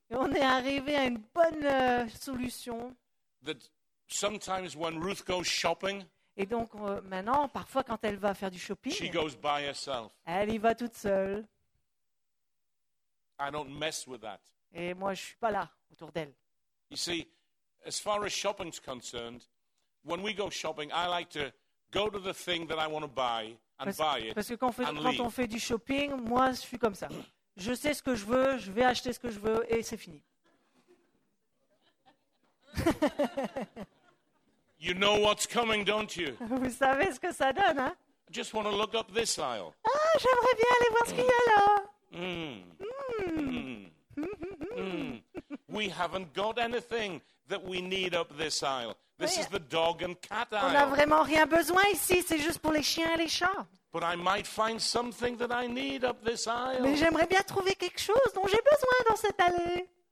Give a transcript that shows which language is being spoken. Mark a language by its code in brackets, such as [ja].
[fr] Et on est arrivé à une bonne solution. [en] That sometimes when Ruth goes shopping, [fr] et donc maintenant, parfois quand elle va faire du shopping, [en] she goes by herself. [fr] Elle y va toute seule. [en] I don't mess with that. [fr] Et moi, je suis pas là autour d'elle. [en] You see, as far as shopping's concerned, when we go shopping, I like to go to the thing that I want to buy and buy it. [fr] Parce que quand on fait du shopping, moi je suis comme ça. Je sais ce que je veux, je vais acheter ce que je veux et c'est fini. [en] You know what's coming, don't you? [fr] Vous savez ce que ça donne, hein? [en] I just want to look up this aisle. [fr] Ah, j'aimerais bien aller voir ce qu'il y a là. [en] We haven't got anything that we need up this aisle. This is the dog and cat aisle. [fr] On n'a vraiment rien besoin ici. C'est juste pour les chiens et les chats. [en] But I might find something that I need up this aisle. [fr] Mais j'aimerais bien trouver quelque chose dont j'ai besoin dans cette allée.